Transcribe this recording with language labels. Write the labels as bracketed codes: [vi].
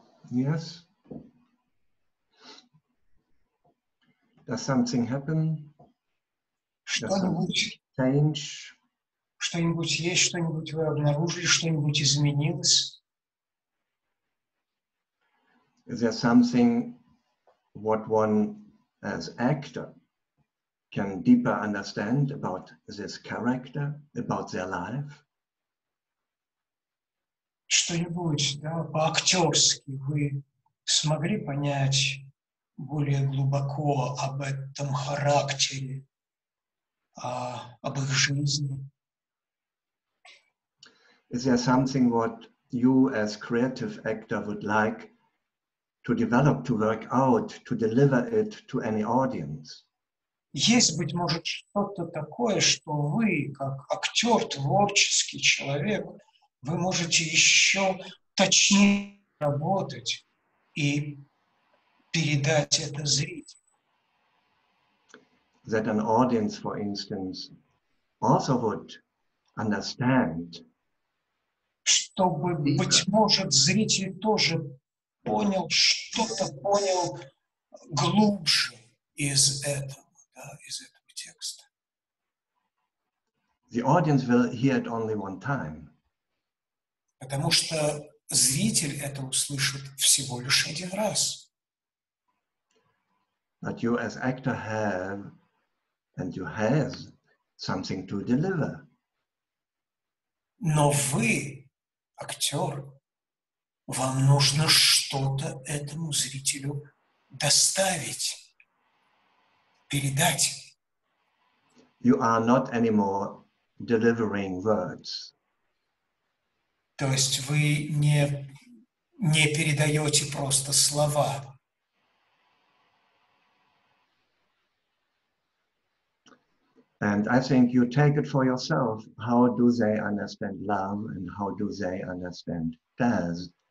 [en] Yes. Does something happen? [ru] Что-нибудь есть, что-нибудь вы обнаружили, что-нибудь изменилось? [en] Is there something what one as actor can deeper understand about this character, about their life? [ru] Что-нибудь, да, по-актерски вы смогли понять более глубоко об этом характере, об их жизни? [en] Is there something what you as creative actor would like to develop, to work out, to deliver it to any audience? [ru] Есть, быть может, что-то такое, что вы, как актер, творческий человек, вы можете еще точнее работать и передать это зрителю. [en] That an audience, for instance, also would understand. [ru] Чтобы, быть может, зритель тоже понял, что-то понял глубже из этого, да, из этого текста. [en] The audience will hear it only one time. [ru] Потому что зритель это услышит всего лишь один раз. [en] But you as actor have, and you have, something to deliver. [ru] Но вы, актер, вам нужно что-то этому зрителю доставить, передать. [en] You are not anymore delivering words. [ru] То есть вы не передаете просто слова. [en] And I think you take it for yourself. How do they understand love and how do they understand death?